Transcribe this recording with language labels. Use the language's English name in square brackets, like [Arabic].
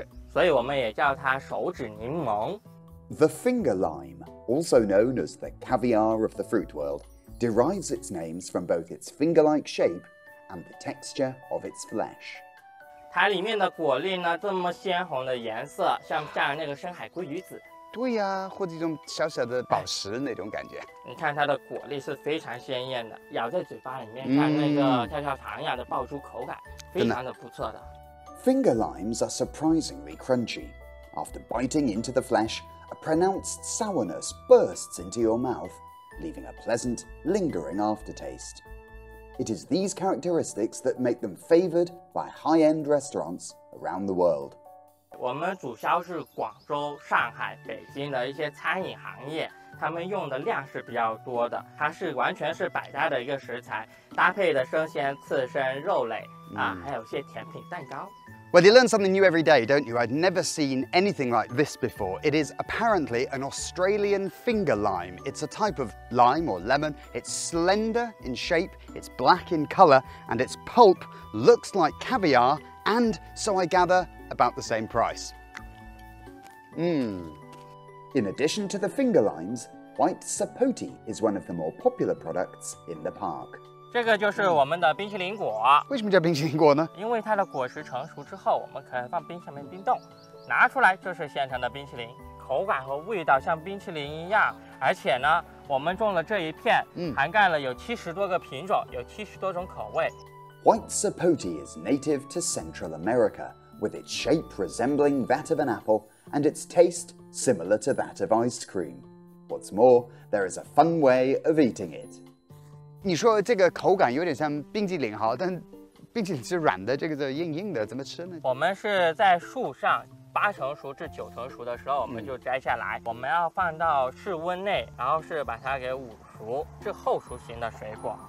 [Chinese] 所以我们也叫它手指柠檬。 [English] The finger lime, also known as the caviar of the fruit world, derives its names from both its finger-like shape and the texture of its flesh. [Chinese] 它里面的果粒呢，这么鲜红的颜色，像那个深海鲑鱼籽。对呀，或者一种小小的宝石那种感觉。你看它的果粒是非常鲜艳的，咬在嘴巴里面，像那个跳跳糖一样的爆珠口感，非常的不错的。 [English] Finger limes are surprisingly crunchy. After biting into the flesh, a pronounced sourness bursts into your mouth, leaving a pleasant, lingering aftertaste. It is these characteristics that make them favored by high-end restaurants around the world. [Chinese] 我们主销是广州、上海、北京的一些餐饮行业，他们用的量是比较多的。它是完全是百搭的一个食材，搭配的生鲜、刺身、肉类啊，还有一些甜品、蛋糕。 [English] Well, you learn something new every day, don't you? I'd never seen anything like this before. It is apparently an Australian finger lime. It's a type of lime or lemon. It's slender in shape, it's black in colour, and its pulp looks like caviar, and, so I gather, about the same price. In addition to the finger limes, white sapote is one of the more popular products in the park. [Chinese] 这个就是我们的冰淇淋果。为什么叫冰淇淋果呢？因为它的果实成熟之后，我们可以放冰箱里面冰冻，拿出来就是现成的冰淇淋，口感和味道像冰淇淋一样。而且呢，我们种了这一片，涵盖了有70多个品种，有70多种口味。 [English] White sapote is native to Central America, with its shape resembling that of an apple and its taste similar to that of ice cream. What's more, there is a fun way of eating it. [Chinese] 你说这个口感有点像冰淇淋哈，但冰淇淋是软的，这个是硬硬的，怎么吃呢？我们是在树上8成熟至9成熟的时候，我们就摘下来，我们要放到室温内，然后是把它给捂熟，是后熟型的水果。